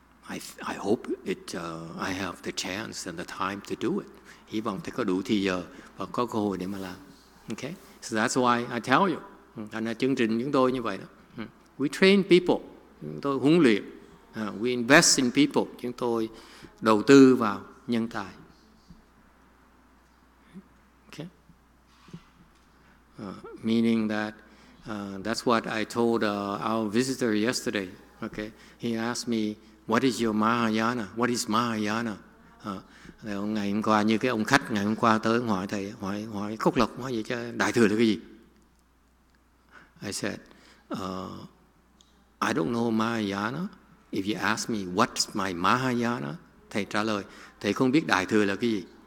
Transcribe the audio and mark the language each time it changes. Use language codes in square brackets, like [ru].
[en] I hope it I have the chance and the time to do it. [vi] Hy vọng thầy có đủ thời giờ và có cơ hội để mà làm. Okay? [en] So that's why I tell you. [vi] Thành ra chương trình chúng tôi như vậy đó. [en] We train people. [vi] Chúng tôi huấn luyện. [en] We invest in people. [vi] Chúng tôi đầu tư vào nhân tài. [en] Okay. Meaning that that's what I told our visitor yesterday. Okay. He asked me, what is your Mahayana? What is Mahayana? [vi] Ngày hôm qua như cái ông khách ngày hôm qua tới hỏi thầy, hỏi khúc lộc, hỏi vậy chứ đại thừa là cái gì? [en] I said, I don't know Mahayana. If you ask me, what's my Mahayana? [vi] Thầy trả lời, thầy không biết đại thừa là cái gì.